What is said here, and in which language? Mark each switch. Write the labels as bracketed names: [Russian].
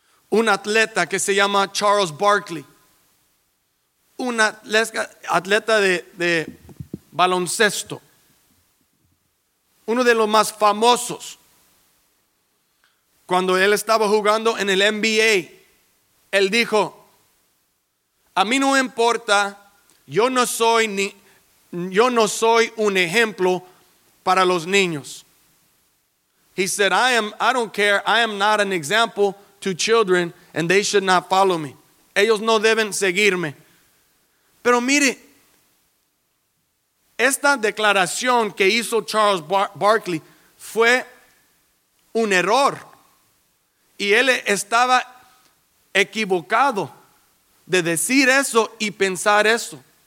[Spanish] Un atleta que se llama Charles Barkley, un atleta de baloncesto, uno de los más famosos, cuando él estaba jugando en el NBA, él dijo: a mí no importa, yo no soy un ejemplo para los niños. [English] He said, I don't care, I am not an example to children, and they should not follow me. [Spanish] Ellos no deben seguirme. Pero mire, esta declaración que hizo Charles Barkley fue un error, y él estaba equivocado de decir eso y pensar eso.